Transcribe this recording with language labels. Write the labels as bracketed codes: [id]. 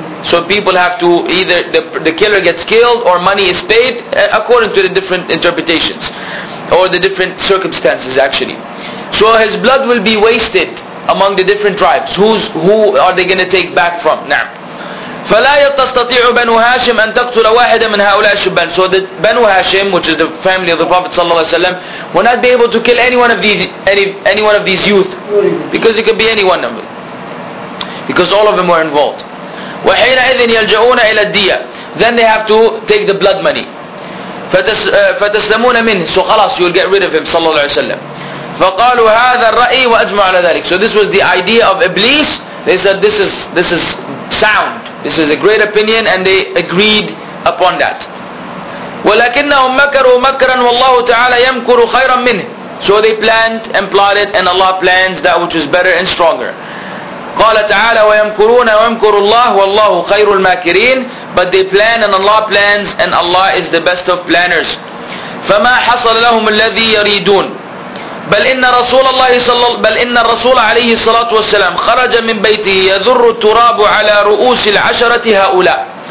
[en] So people have to either the killer gets killed or money is paid according to the different interpretations or the different circumstances actually. So his blood will be wasted among the different tribes. Who are they going to take back from? [ar] نعم. فلا يستطيع بنو هاشم أن تقتل واحدا من هؤلاء الشبان. [en] So the Banu Hashim, which is the family of the Prophet صلى الله عليه وسلم, will not be able to kill any one of these youth because it could be any one of them because all of them were involved. [ar] وحينئذ يلجؤون إلى الدية. [en] Then they have to take the blood money. [ar] فتسلمون منه. [en] So خلاص, you'll get rid of him صلى الله عليه وسلم. [ar] فقالوا هذا الرأي وأجمع على ذلك. [en] So this was the idea of Iblis. They said this is sound. This is a great opinion and they agreed upon that. [ar] ولكنهم مكروا مكرا والله تعالى يمكر خيرا منه. [en] So they planned and plotted and Allah plans that which is better and stronger. [ar] قال تعالى ويمكرون ويمكر الله والله خير الماكرين. [en] But they plan and Allah plans and Allah is the best of planners. [ar] فما حصل لهم الذي يريدون بل إن الرسول عليه الصلاة والسلام خرج من بيته يذر التراب على رؤوس العشرة هؤلاء.